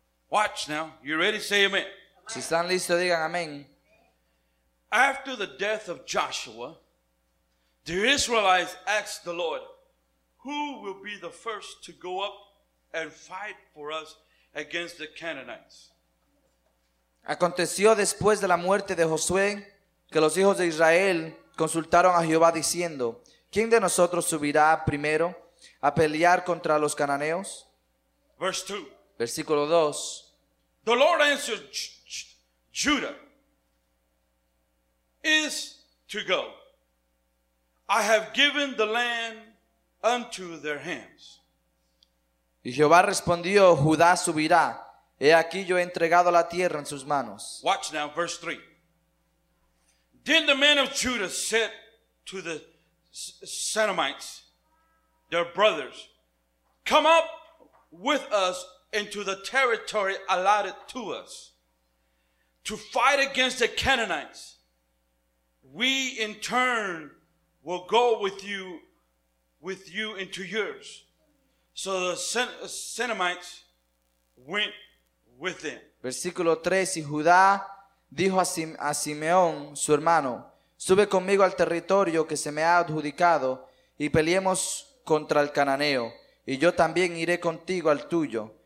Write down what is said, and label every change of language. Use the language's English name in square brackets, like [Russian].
[English] Watch now. You ready? Say amen. [Spanish] Si están listos, digan amén. [English] After the death of Joshua, the Israelites asked the Lord, who will be the first to go up and fight for us against the Canaanites? [Spanish] Aconteció después de la muerte de Josué que los hijos de Israel consultaron a Jehová diciendo, ¿quién de nosotros subirá primero a pelear contra los cananeos? [English] Verse 2. [Spanish] Versículo 2. [English] The Lord answered Judah is to go. I have given the land unto their hands. [Spanish] Y Jehová respondió, Judá subirá. He aquí yo he entregado la tierra en sus manos. [English] Watch now, verse 3. Then the men of Judah said to the Shunammites, their brothers, come up with us into the territory allotted to us to fight against the Canaanites. We in turn will go with you into yours. So the Shunammites went with them. [Spanish] Versículo 3, y Judá dijo a Simeón, su hermano, sube conmigo al territorio que se me ha adjudicado y peleemos contra el cananeo, y yo también iré contigo al tuyo.